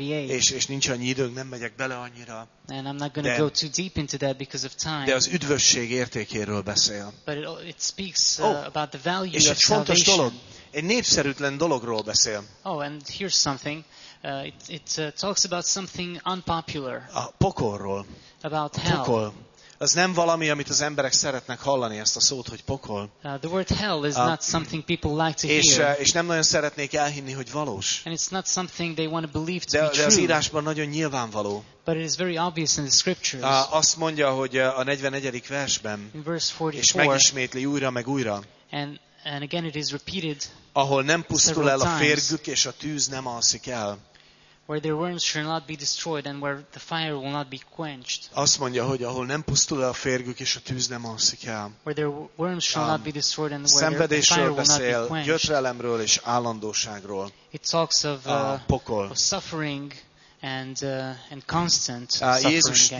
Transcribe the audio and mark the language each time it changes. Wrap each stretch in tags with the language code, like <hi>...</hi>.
<hu>És nincs annyi időnk, nem megyek bele annyira.</hu> <en>And I'm not going to go too deep into that because of time.</en> <hu>De az üdvösség értékéről beszél.</hu> <en>But it speaks about the value</en> <hu>és</hu> <en>of</en> <hu>egy fontos</hu> <en>salvation.</en> <hu>Dolog. Egy népszerűtlen dologról beszél.</hu> <en>Oh, and here's something. It talks about something unpopular.</en> <hu>A pokolról.</hu> <en>About hell.</en> <hu>Pokol. Az nem valami, amit az emberek szeretnek hallani, ezt a szót, hogy pokol.</hu> <en>The word hell is not something people like to</en> <hu>és,</hu> <en>hear.</en> <hu>És nem nagyon szeretnék elhinni, hogy valós.</hu> <en>And it's not something they want to believe to</en> <hu>de,</hu> <en>be true.</en> <hu>De az írásban nagyon nyilvánvaló.</hu> <en>But it is very obvious in the scriptures.</en> <hu>Azt mondja, hogy a 41. versben,</hu> <en>in verse 44,</en> <hu>és megismétli újra meg újra,</hu> <en>and again it is repeated</en> <hu>ahol nem pusztul el a férgük, és a tűz nem alszik el.</hu> <en>where their worms shall not be destroyed and where the fire will not be quenched.</en> <hu>Azt mondja, hogy ahol nem pusztul el a férgük és a tűz nem alszik el.</hu> <en>Where their worms shall not be destroyed and where the fire will not be quenched.</en> <hu>Gyötrelemről és állandóságról.</hu> <en>It talks of</en> <hu>pokol.</hu> <en>Of suffering and constant suffering.</en>